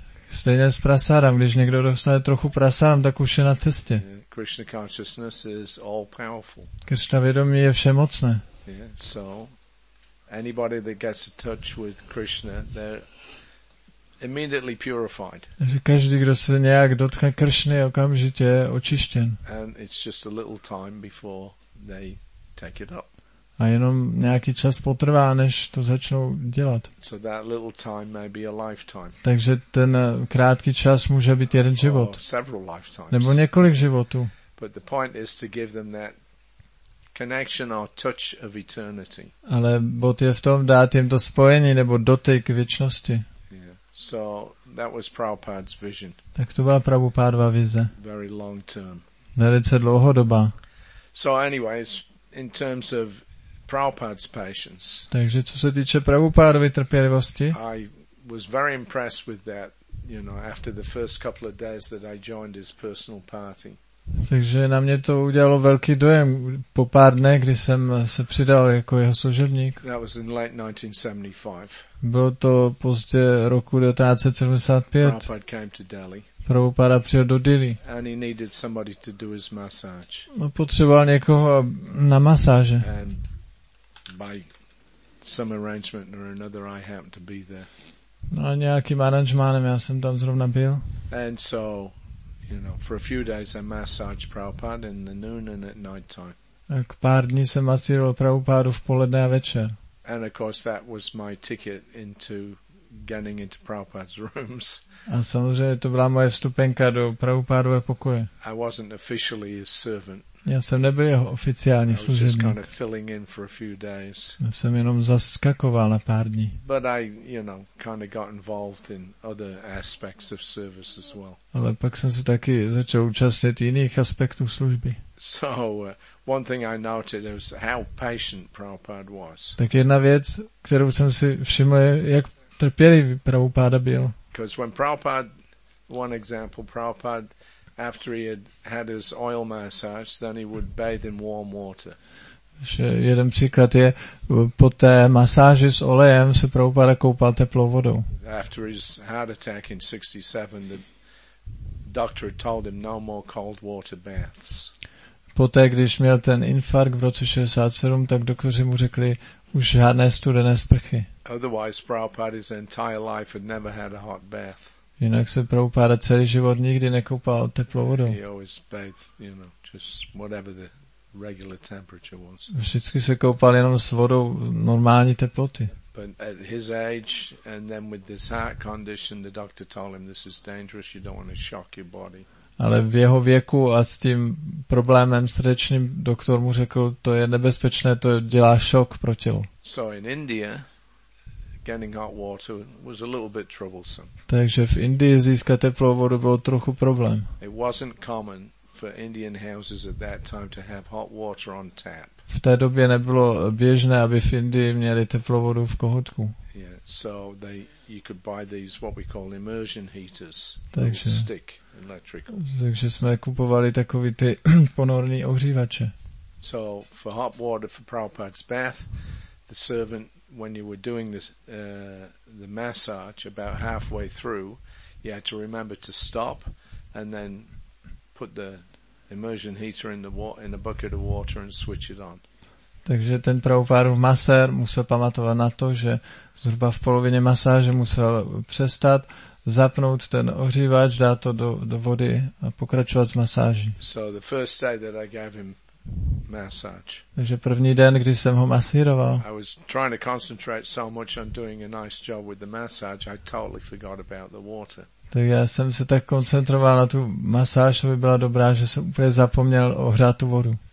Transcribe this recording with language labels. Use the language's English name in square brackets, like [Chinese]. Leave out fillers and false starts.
[Czech] Stejně s prasadam, když někdo dostane trochu prasadam, tak už je na cestě. [English] Yeah. Krishna consciousness is all powerful. [Czech] Krishna vědomí je všemocné. [English] Yeah. So anybody that gets a touch with Krishna, they're immediately purified. [Czech] Takže každý, kdo se nějak dotkne Krishny, okamžitě je očištěn. [English] And it's just a little time before they take it up. [Czech] A jenom nějaký čas potrvá, než to začnou dělat. [English] So that little time may be a lifetime. [Czech] Takže ten krátký čas může být jeden život. [English] Or several lifetimes. [Czech] Nebo několik životů. [English] But the point is to give them that connection or touch of eternity. [Czech] Ale bod je v tom dát jim to spojení nebo dotyk věčnosti. [English] Yeah. So that was Prabhupada's vision. [Czech] Tak to byla Prabhupádova vize. [English] Very long term. [Czech] Velice dlouhodobá. [English] So anyways, in terms of Prabhupada's patience. [Czech] Takže co se týče Prabhupádovy trpělivosti? [English] I was very impressed with that, you know, after the first couple of days that I joined his personal party. [Czech] Takže na mě to udělalo velký dojem po pár dnech, kdy jsem se přidal jako jeho služebník. [English] That was in late 1975. [Czech] Bylo to pozdě roku 1975. [English] Prabhupada came to Delhi. [Czech] Prabhupada přijel do Delhi. [English] And he needed somebody to do his massage. [Czech] No, potřeboval někoho na masáže. [English] And by some arrangement or another, I happened to be there. [Czech] No, a nějakým aranžmánem já jsem tam zrovna byl. [English] And so, you know, for a few days I massaged Prabhupada in the noon and at night time. [Czech] Tak pár dní jsem masíroval Prabhupádu v poledne a večer. [English] And of course that was my ticket into getting into Prabhupada's rooms. [Czech] A samozřejmě to byla moje vstupenka do Prabhupádova pokoje. [English] I wasn't officially his servant. [Czech] Já jsem nebyl jeho oficiální služebník. [English] Just kind of filling in for a few days. [Czech] Já jsem jenom zaskakoval na pár dní. [English] But I, you know, kind of got involved in other aspects of service as well. [Czech] Ale pak jsem se taky začal účastnit jiných aspektů služby. [English] So one thing I noted was how patient Prabhupada was. [Czech] Tak jedna věc, kterou jsem si všiml, je, jak trpělivý Prabhupada byl. [English] Because when Prabhupada, one example, Prabhupada, after he had his oil massage, then he would bathe in warm water. [Czech] Jeden příklad je, po té masáži s olejem se Prabhupada koupal teplou vodou. [English] After his heart attack in 67, the doctor had told him no more cold water baths. [Czech] Poté, když měl ten infarkt v roce 67, tak doktoři mu řekli, už žádné studené sprchy. [English] Otherwise, Prabhupada's entire life had never had a hot bath. [Czech] Jinak se Prabhupada celý život nikdy nekoupal teplou vodou. [English] He always bathed, you know, just whatever the regular temperature was. [Czech] Vždycky se koupal jenom s vodou normální teploty. [English] But at his age and then with this heart condition, the doctor told him this is dangerous, you don't want to shock your body. [Czech] Ale v jeho věku a s tím problémem srdečním doktor mu řekl, to je nebezpečné, to dělá šok pro tělo. [English] So in India, getting hot water was a little bit troublesome. [Czech] Takže v Indii získat teplou vodu bylo trochu problém. [English] It wasn't common for Indian houses at that time to have hot water on tap. [Czech] V té době nebylo běžné, aby v Indii měli teplou vodu v kohoutku. [English] Yeah, so they you could buy these what we call immersion heaters, [Czech] takže, [English] stick electrical. [Czech] Takže jsme kupovali takový ty ponorní ohřívače. [English] So for hot water for Prabhupada's bath, the servant when you were doing this the massage about halfway through, you had to remember to stop and then put the immersion heater in the water in a bucket of water and switch it on. [Czech] Takže ten Prabhupádův masér musel pamatovat na to, že zhruba v polovině masáže musel přestat, zapnout ten ohřívač, dát to do vody a pokračovat s masáží. [English] So the first day that I gave him massage. [Czech] Takže první den, kdy jsem ho masíroval. [English] I was trying to concentrate so much on doing a nice job with the massage, I totally forgot about the water. [Czech] Tak já jsem se tak koncentroval na tu masáž, aby byla dobrá, že jsem úplně zapomněl ohřát tu vodu.